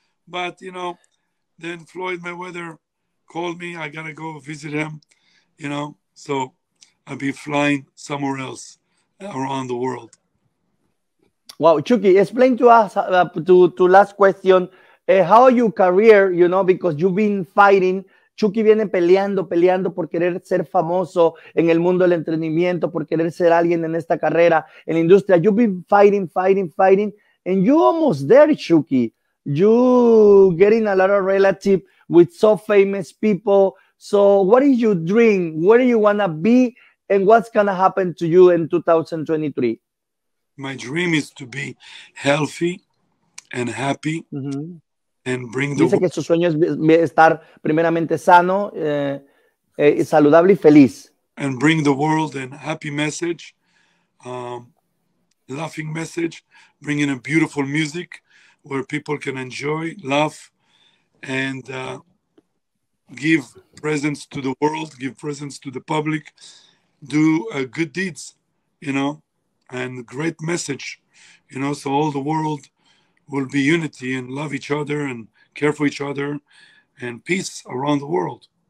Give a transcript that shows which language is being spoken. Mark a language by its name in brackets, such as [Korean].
[English] But, you know, then Floyd Mayweather called me. I got to go visit him, you know, so I'll be flying somewhere else around the world. Wow, Chucky, explain to us to last question. How your career, you know, because you've been fighting. [Spanish] Chucky viene peleando por querer ser famoso en el mundo del entretenimiento, por querer ser alguien en esta carrera, en la industria. [English] You've been fighting, and you almost there, Chucky. You getting a lot of relative with so famous people. So what is your dream? Where do you want to be? And what's going to happen to you in 2023? My dream is to be healthy and happy. Mm-hmm. And bring the [Spanish] dice que su sueño es estar primeramente sano, saludable y feliz. [English] And bring the world a happy message, laughing message, bringing a beautiful music where people can enjoy, laugh, and give presents to the world, give presents to the public, do good deeds, you know, and great message, you know, so all the world will be unity and love each other and care for each other and peace around the world.